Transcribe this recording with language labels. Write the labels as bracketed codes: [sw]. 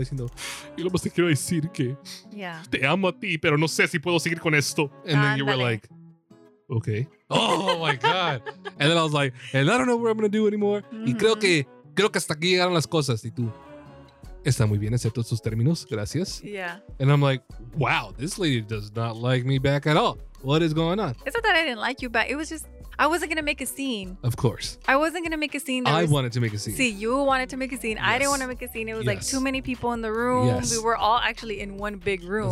[es] Diciendo, yo lo más te quiero decir que te amo a ti, pero no sé si puedo seguir con esto. [en] And then you were like, okay. Oh my God. And then I was like, and I don't know what I'm going to do anymore. Mm-hmm. [es] Y creo que hasta aquí llegaron las cosas. Y tú, está muy bien, acepto estos términos, gracias. [en] Yeah. And I'm like, wow, this lady does not like me back at all. What is going on? It's not that I didn't like you back. It was just, I wasn't going to make a scene. Of course. I wasn't going to make a scene. Wanted to make a scene. See, you wanted to make a scene. Yes. I didn't want to make a scene. It was like too many people in the room. Yes. We were all actually in one big room.